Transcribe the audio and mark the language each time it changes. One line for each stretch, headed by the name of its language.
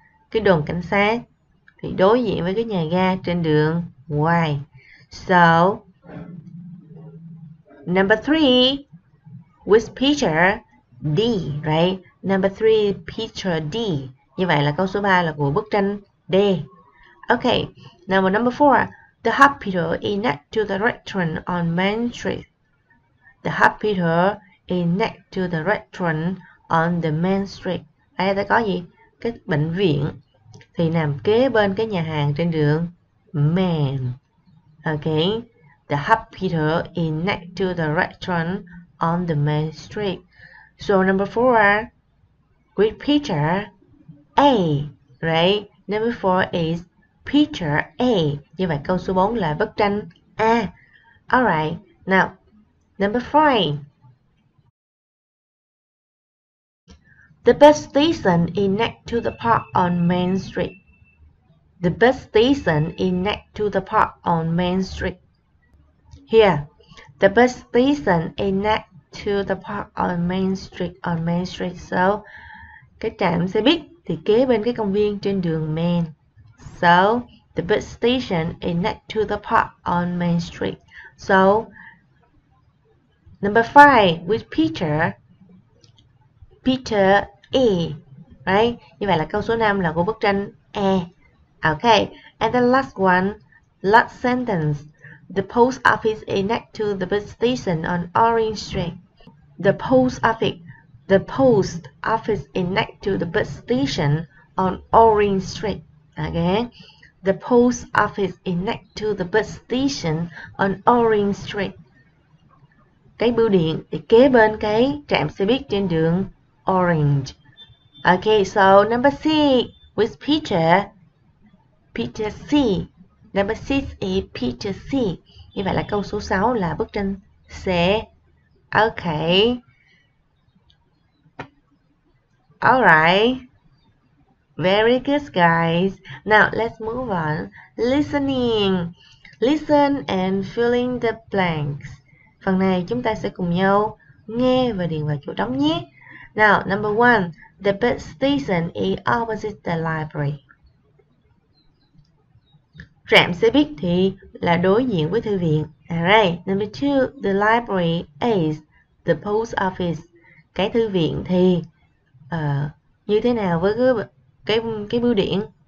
Vietnamese: Cái đồn cảnh sát thì đối diện với cái nhà ga trên đường Y.
English: So, number three, with picture D, right? Number three, picture D.
Vietnamese: Như vậy là câu số 3 là của bức tranh D.
English: Okay, number four, the hospital is next to the restaurant on Main Street. The hospital is next to the restaurant on the Main Street.
Vietnamese: Đây ta có gì? Cái bệnh viện thì nằm kế bên cái nhà hàng trên đường Main.
English: Okay, the hospital is next to the restaurant on the Main Street. So number four, with picture A, right? Number four is picture A.
Vietnamese: Như vậy câu số 4 là bức tranh A.
English: Alright, now number 5. The bus station is next to the park on Main Street. The bus station is next to the park on Main Street. Here, the bus station is next to the park on Main Street. On Main Street.
Vietnamese: So, cái trạm xe buýt thì kế bên cái công viên trên đường Main.
English: So, the bus station is next to the park on Main Street. So, number five, with picture A, right?
Vietnamese: Như vậy là câu số 5 là của bức tranh A.
English: Okay, and the last one, last sentence. The post office is next to the bus station on Orange Street. The post office is next to the bus station on Orange Street. Okay. The post office is next to the bus station on Orange Street.
Vietnamese: Cái bưu điện thì kế bên cái trạm xe buýt trên đường Orange.
English: Okay, so number C with picture C. Number C is picture C.
Vietnamese: Như vậy là câu số 6 là bức tranh C. Okay.
English: Alright, very good guys. Now let's move on. Listening. Listen and filling the blanks.
Vietnamese: Phần này chúng ta sẽ cùng nhau nghe và điền vào chỗ trống nhé.
English: Now, number one, the bus station is opposite the library.
Vietnamese: Trạm xe buýt thì là đối diện với thư viện.
English: Alright, number two, the library is the post office.
Vietnamese: Cái thư viện thì như thế nào với cái bưu điện?